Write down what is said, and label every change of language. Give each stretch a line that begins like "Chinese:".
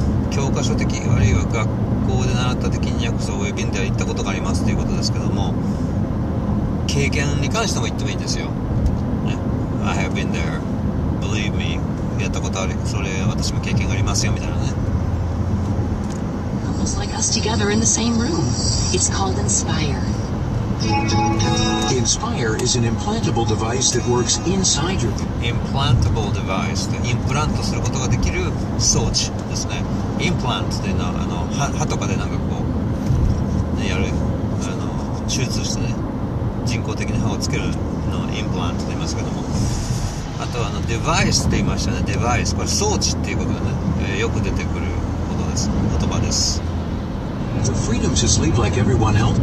Japanese: 教科書的、あるいは学校で習った的に訳すと、
English: We've been there
Japanese: 行ったことがありますということですけども、経験に関しても言ってもいいんですよ。
English: ね、I have been there. Believe me.
Japanese: やったことあるそれ私も経験がありますよみたいなね
English: Almost like us together in the same room It's called Inspire Inspire is an implantable device that works inside your
Japanese: Implantable device インプラントすることができる装置ですねインプラントというのは歯とかでなんかこう、ね、やる手術してね人工的に歯をつけるのインプラントと言いますけどもあとはデバイスって言いましたね。デバイス。これ装置っていうことでね、よく出てくることです。言葉です。
English: It's a freedom to sleep like everyone else.